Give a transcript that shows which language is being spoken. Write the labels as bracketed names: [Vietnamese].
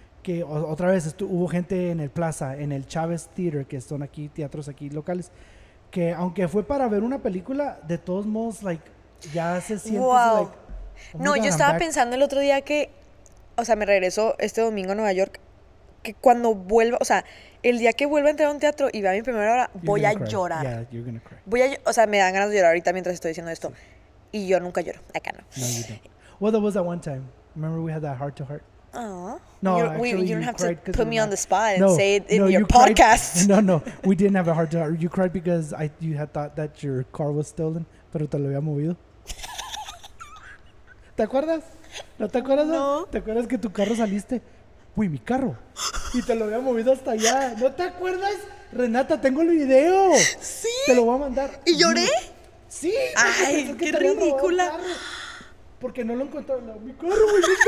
[Spanish] que otra vez hubo gente en el Plaza, en el Chavez Theater, que son aquí teatros aquí locales, que aunque fue para ver una película, de todos modos, like, ya se siente... [English] Wow. Like, [Spanish] no, yo estaba pensando el otro día que, o sea, me regreso este domingo a Nueva York, que cuando vuelva, o sea, el día que vuelva a entrar a un teatro y vea mi primera obra, voy a llorar. [English] Yeah, you're gonna cry. [Spanish] O sea, me dan ganas de llorar ahorita mientras estoy diciendo esto. Sí. Y yo nunca lloro, acá no. [English] No, you don't. Well, there was that one time. Remember we had that heart to heart? Aww. [Spanish] No, [English] you don't have to put me on the spot and say it in your podcast. No, we didn't have a heart to heart. You cried because you had thought that your car was stolen, [Spanish] pero te lo había movido. ¿Te acuerdas? ¿No te acuerdas? No. ¿Te acuerdas que tu carro saliste? Uy, mi carro. Y te lo había movido hasta allá. ¿No te acuerdas? Renata, tengo el video. Sí. Te lo voy a mandar. ¿Y lloré? Sí. Ay, qué ridícula. Porque no lo encontré. No, mi carro, güey.